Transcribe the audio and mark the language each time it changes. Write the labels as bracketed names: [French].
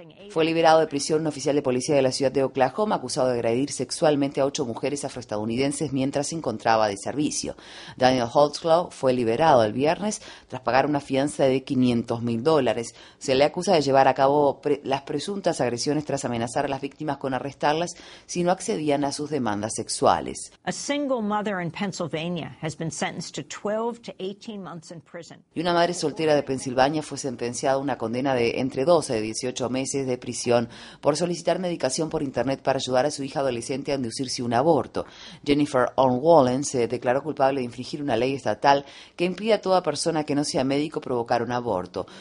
[Spanish] Fue liberado de prisión un oficial de policía de la ciudad de Oklahoma acusado de agredir sexualmente a 8 mujeres afroestadounidenses mientras se encontraba de servicio. Daniel Holtzclaw fue liberado el viernes tras pagar una fianza de $500,000. Se le acusa de llevar a cabo las presuntas agresiones tras amenazar a las víctimas con arrestarlas si no accedían a sus demandas sexuales. [English] A single mother in Pennsylvania has been sentenced to 12 to 18 months in prison. [Spanish] Y una madre soltera de Pensilvania fue sentenciada a una condena de entre 12 y 18 meses de prisión por solicitar medicación por internet para ayudar a su hija adolescente a inducirse un aborto. Jennifer Ann Wallen se declaró culpable de infringir una ley estatal que impide a toda persona que no sea médico provocar un aborto.